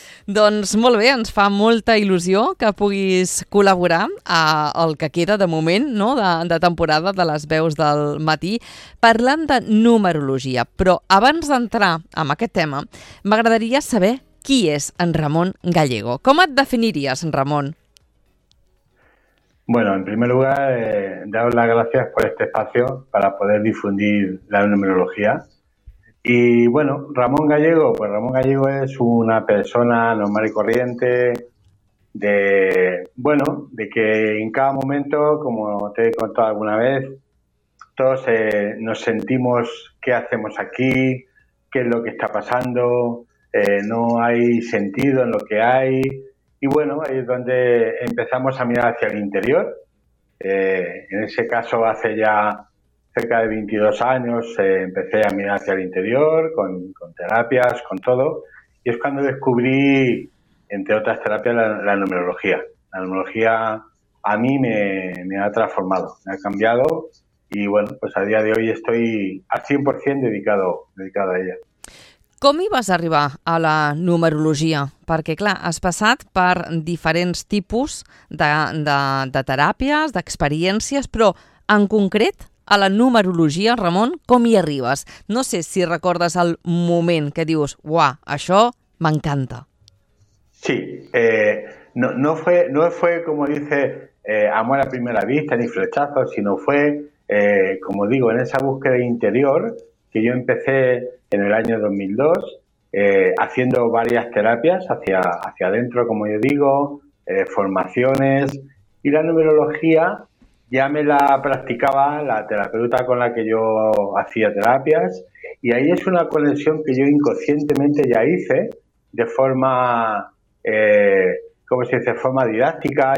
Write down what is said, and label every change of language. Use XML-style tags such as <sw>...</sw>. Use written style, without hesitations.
<ca>Doncs molt bé, ens fa molta il·lusió que puguis col·laborar a el que queda de moment, no?, de temporada de les veus del matí, parlant de numerologia. Però abans d'entrar en aquest tema, m'agradaria saber qui és en Ramon Gallego. Com et definiries, en Ramon?</ca> <es>Bueno, en primer lugar, daros las gracias por este espacio para poder difundir la numerología. Y bueno, Ramón Gallego, pues Ramón Gallego es una persona normal y corriente de que en cada momento, como te he contado alguna vez, todos nos sentimos qué hacemos aquí, qué es lo que está pasando, no hay sentido en lo que hay. Y bueno, ahí es donde empezamos a mirar hacia el interior. En ese caso, hace ya cerca de 22 años empecé a mirar hacia el interior con terapias, con todo, y es cuando descubrí, entre otras terapias, la numerología. La numerología a mí me ha transformado, me ha cambiado, y bueno, pues a día de hoy estoy al 100% dedicado a ella.</es> <ca>Com hi vas arribar a la numerologia? Perquè, clar, has passat per diferents tipus de teràpies, d'experiències, però en concret a la numerologia, Ramon, com hi arribes? No sé si recordes el moment que dius, uah, això m'encanta.</ca> <es>Sí, no fue, como dice, amor a primera vista ni flechazo, sino fue, como digo, en esa búsqueda interior que yo empecé en el año 2002, haciendo varias terapias hacia adentro, como yo digo, formaciones, y la numerología ya me la practicaba la terapeuta con la que yo hacía terapias, y ahí es una conexión que yo inconscientemente ya hice de forma, ¿cómo se dice?, forma didáctica.</es>